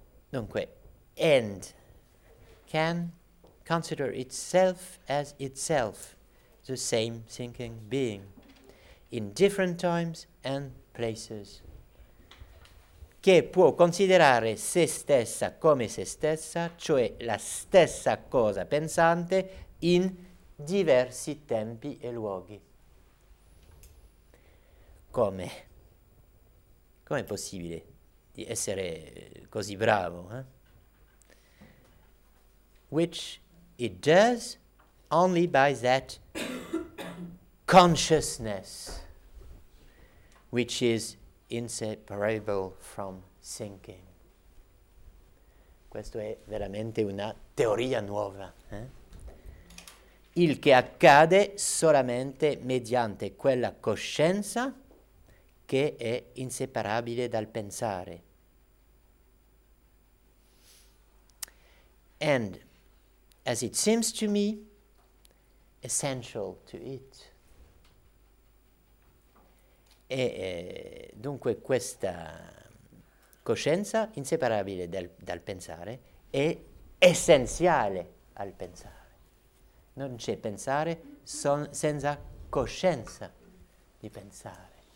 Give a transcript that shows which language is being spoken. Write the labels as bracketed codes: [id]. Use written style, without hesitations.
[en] Dunque, and can consider itself as itself, the same thinking being, in different times and places. [it] Che può considerare se stessa come se stessa, cioè la stessa cosa pensante, in diversi tempi e luoghi. Come? Com'è possibile di essere così bravo, eh? [en] Which it does only by that consciousness, which is inseparable from thinking. [it] Questo è veramente una teoria nuova, eh? Il che accade solamente mediante quella coscienza che è inseparabile dal pensare. [en] And as it seems to me, essential to it. [it] E dunque questa coscienza inseparabile dal pensare è essenziale al pensare. Non c'è pensare senza coscienza di pensare.